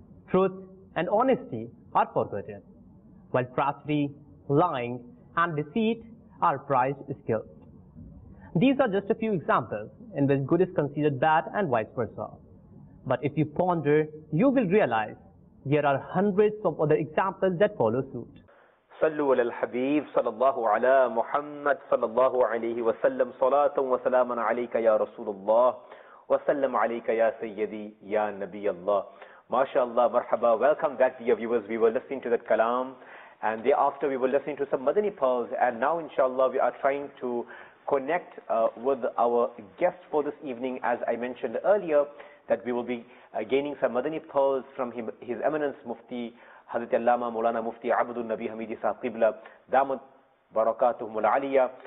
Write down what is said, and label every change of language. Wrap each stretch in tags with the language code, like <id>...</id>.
<en>Truth and honesty are forgotten, while treachery, lying, and deceit are prized skills. These are just a few examples in which good is considered bad and vice versa. But if you ponder, you will realize there are hundreds of other examples that follow suit.</en> <ar>صلوا على الحبيب صلى الله على محمد صلى الله عليه وسلم صلاة وسلاما عليك يا رسول الله وسلم عليك يا سيدي يا نبي الله ما شاء الله مرحبا.</ar> <en>Welcome back dear viewers. We were listening to that kalam, and thereafter we were listening to some Madani pearls, and now inshallah we are trying to connect with our guest for this evening. As I mentioned earlier, that we will be gaining some Madani pearls from him, His Eminence Mufti Hazrat Allama Mawlana Mufti Abdul Nabi Hamidi Sahib Qibla Damat Barakatuhum Al-Aliyah.</en>